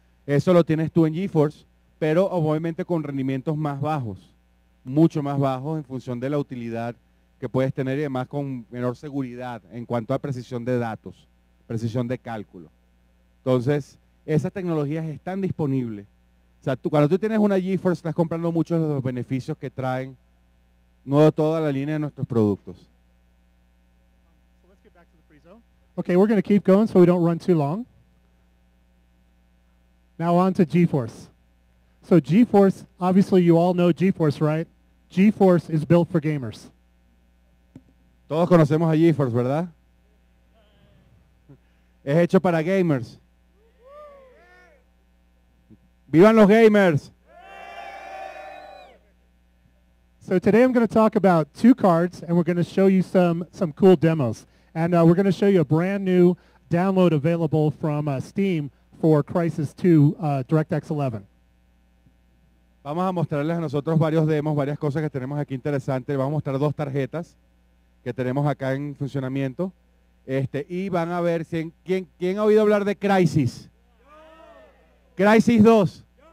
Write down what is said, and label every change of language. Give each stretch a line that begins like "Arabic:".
Spanish: Eso lo tienes tú en GeForce, pero obviamente con rendimientos más bajos, mucho más bajos en función de la utilidad que puedes tener y además con menor seguridad en cuanto a precisión de datos, precisión de cálculo. Entonces, esas tecnologías están disponibles. O sea, tú, cuando tú tienes una GeForce, estás comprando muchos de los beneficios que traen toda la línea de nuestros productos.
English: Let's get back to the free zone. Okay, we're going to keep going so we don't run too long. Now on to GeForce. So GeForce, obviously you all know GeForce, right? GeForce is built for gamers.
Spanish: Todos conocemos a GeForce, ¿verdad? Es hecho para gamers. ¡Vivan los gamers!
English: So today I'm going to talk about two cards, and we're going to show you some cool demos. And we're going to show you a brand new download available from Steam for Crysis 2 DirectX 11.
Spanish: Vamos a mostrarles a nosotros varios demos, varias cosas que tenemos aquí interesantes. Vamos a mostrar dos tarjetas que tenemos acá en funcionamiento. Y van a ver, ¿quién ha oído hablar de Crysis? Crysis 2.